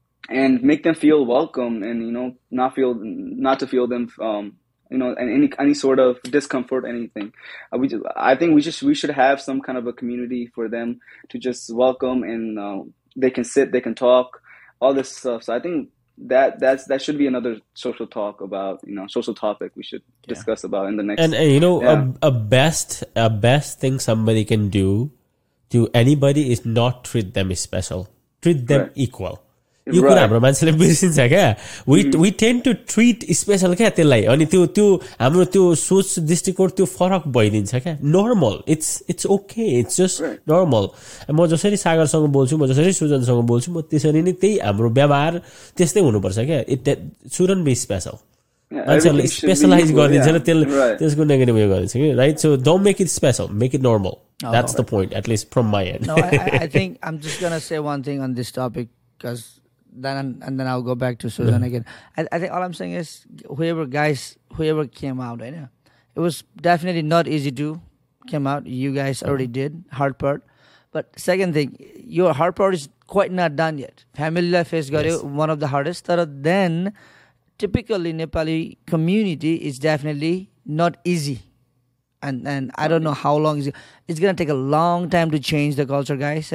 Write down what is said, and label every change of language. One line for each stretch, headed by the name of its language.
English: and make them feel welcome and you know not to feel them you know and any sort of discomfort anything I think we should have some kind of a community for them to just welcome and they can sit they can talk all this stuff so I think that should be another social talk about you know social topic we should discuss about in the next and you know a best thing somebody can do to anybody is not treat them special treat them right.
Nepali: equal यो कुरा हाम्रो मान्छेले बिर्सिन्छ क्या
English: we tend to treat special
Nepali: क्या त्यसलाई अनि त्यो त्यो हाम्रो त्यो सोच दृष्टिकोण त्यो फरक भइदिन्छ क्या
English: normal it's okay it's just normal
Nepali: म जसरी सागरसँग बोल्छु म जसरी सुजनसँग बोल्छु म त्यसरी नै त्यही हाम्रो व्यवहार त्यस्तै हुनुपर्छ क्या
English: it shouldn't be special
Nepali: मान्छेहरूले स्पेसलाइज गरिदिन्छ त्यसले त्यसको नेगेटिभ उयो गरिदिन्छ कि
English: Right so don't make it special make it normal that's the point at least from my end I think I am just gonna say one thing on this topic cuz then and then I'll go back to Susan again. I think all I'm saying is whoever came out, you know, it was definitely not easy to came out. You guys already did hard part, but second thing, your hard part is quite not done yet. Family life has got one of the hardest. But then typically Nepali community is definitely not easy, and I don't know how long it's going to take a long time to change the culture, guys.